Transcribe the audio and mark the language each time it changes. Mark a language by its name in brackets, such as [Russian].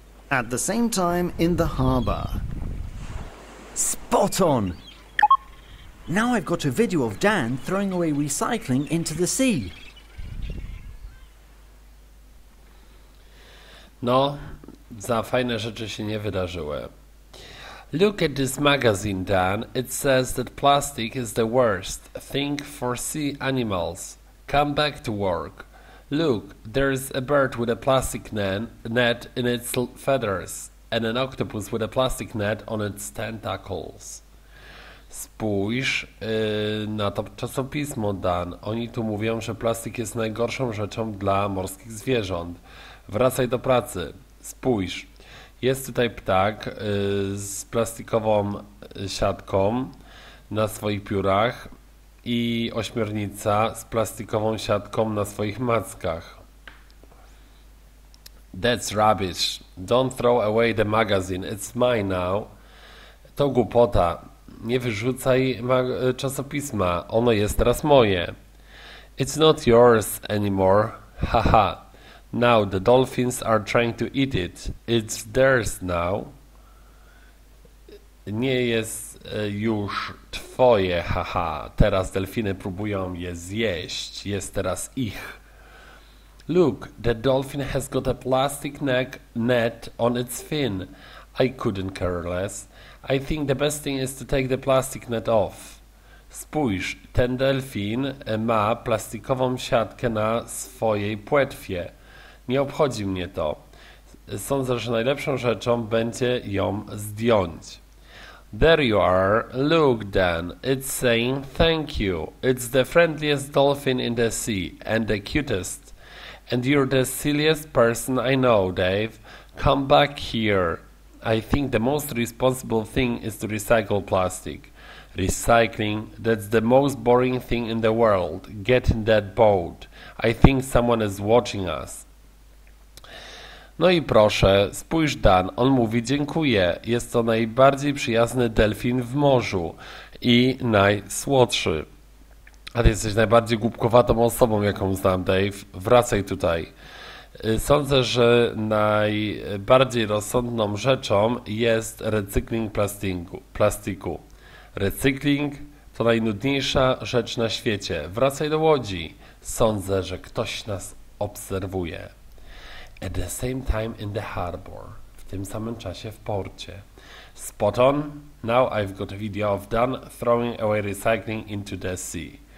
[English] At the same time in the harbor. Spot on! Now I've got a video of Dan throwing away recycling into the sea. [Polish] No, za fajne rzeczy się nie wydarzyły. [English] Look at this magazine, Dan. It says that plastic is the worst thing for sea animals. Come back to work. Look, there's a bird with a plastic net in its feathers and an octopus with a plastic net on its tentacles. [Polish] Spójrz na to czasopismo, Dan. Oni tu mówią, że plastik jest najgorszą rzeczą dla morskich zwierząt. Wracaj do pracy. Spójrz. Jest tutaj ptak z plastikową siatką na swoich piórach i ośmiornica z plastikową siatką na swoich mackach. [English] That's rubbish. Don't throw away the magazine. It's mine now. [Polish] To głupota. Nie wyrzucaj czasopisma. Ono jest teraz moje. [English] It's not yours anymore. [Polish] Haha. [English] Now the dolphins are trying to eat it. It's theirs now. [Polish] Nie jest już twoje, haha. Teraz delfiny próbują je zjeść. Jest teraz ich. [English] Look, the dolphin has got a plastic net on its fin. I couldn't care less. I think the best thing is to take the plastic net off. [Polish] Spójrz, ten delfin ma plastikową siatkę na swojej płetwie. Nie obchodzi mnie to. Sądzę, że najlepszą rzeczą będzie ją zdjąć. [English] There you are. Look, Dan. It's saying thank you. It's the friendliest dolphin in the sea and the cutest. And you're the silliest person I know, Dave. Come back here. I think the most responsible thing is to recycle plastic. Recycling, that's the most boring thing in the world. Get in that boat. I think someone is watching us. [Polish] No i proszę, spójrz, Dan, on mówi dziękuję. Jest to najbardziej przyjazny delfin w morzu i najsłodszy. A ty jesteś najbardziej głupkowatą osobą, jaką znam, Dave. Wracaj tutaj. Sądzę, że najbardziej rozsądną rzeczą jest recykling plastiku. Recykling to najnudniejsza rzecz na świecie. Wracaj do łodzi. Sądzę, że ktoś nas obserwuje. [English] At the same time in the harbor. [Polish] W tym samym czasie w porcie. [English] Spot on. Now I've got a video of Dan throwing away recycling into the sea.